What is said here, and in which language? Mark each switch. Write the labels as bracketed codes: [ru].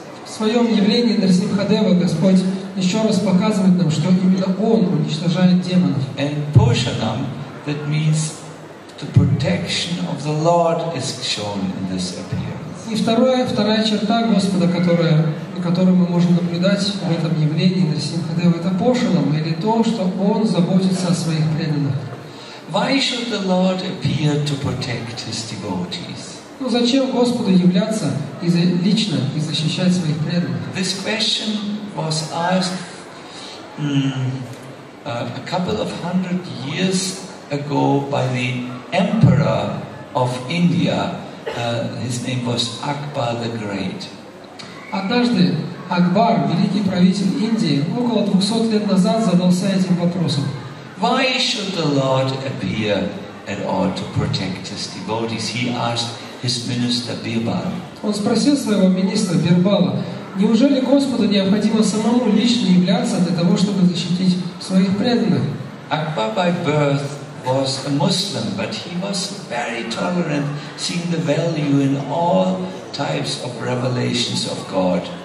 [ru] В своем явлении Нарасимхадева Господь еще раз показывает нам, что именно Он уничтожает демонов. [en] And Pushanam, that means the protection of the Lord, is shown in this appearance. [ru] И вторая черта Господа, которая которую мы можем наблюдать в этом явлении Нарасимхадева, это Пошанам, или то, что Он заботится о Своих преданных. [en] Why should the Lord appear to protect His devotees? [ru] Ну, зачем Господу являться и лично и защищать Своих преданных? [en] This question was asked a couple of hundred years ago by the emperor of India. His name was Akbar the Great. [ru] Однажды Акбар, великий правитель Индии, около 200 лет назад задался этим вопросом. [en] Why should the Lord appear at all to protect his devotees? He asked his minister Birbal. [ru] Он спросил своего министра Бирбала: неужели Господу необходимо самому лично являться для того, чтобы защитить своих преданных? [en] Akbar by birth was a Muslim, but he was very tolerant, seeing the value in all types of revelations of God.